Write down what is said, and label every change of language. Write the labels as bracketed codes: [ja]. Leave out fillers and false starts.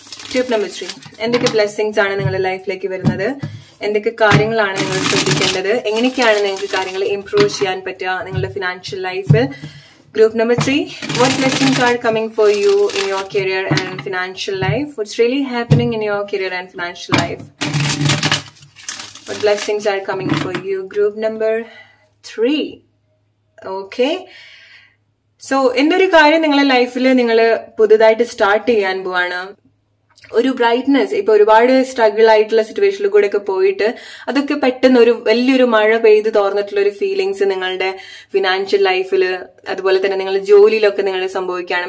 [ml] Group number 3, എന്തൊക്കെ blessings ആണ് നിങ്ങളുടെ ലൈഫിലേക്ക് വരുന്നത്, എന്തൊക്കെ കാര്യങ്ങളാണ് നിങ്ങൾ ശ്രദ്ധിക്കേണ്ടത്, എങ്ങനെയൊക്കെയാണ് നിങ്ങൾക്ക് കാര്യങ്ങൾ ഇംപ്രൂവ് ചെയ്യാൻ പറ്റുക നിങ്ങളുടെ ഫിനാൻഷ്യൽ ലൈഫിൽ. [en] Group number 3, what blessings are coming for you in your career and financial life, what's really happening in your career and financial life. What blessings are coming for you? Group number 3. Okay. [ml] So എന്തൊരു കാര്യം നിങ്ങളെ ലൈഫിൽ നിങ്ങൾ പുതുതായിട്ട് start ചെയ്യാൻ പോവാണ്, ഒരു brightness, ഇപ്പൊ ഒരുപാട് സ്ട്രഗിൾ ആയിട്ടുള്ള സിറ്റുവേഷനിൽ കൂടെ ഒക്കെ പോയിട്ട് അതൊക്കെ പെട്ടെന്ന് ഒരു വലിയൊരു മഴ പെയ്ത് തോർന്നിട്ടുള്ള ഒരു ഫീലിങ്സ് നിങ്ങളുടെ ഫിനാൻഷ്യൽ ലൈഫിൽ, അതുപോലെ തന്നെ നിങ്ങളുടെ ജോലിയിലൊക്കെ നിങ്ങൾ സംഭവിക്കുകയാണ്.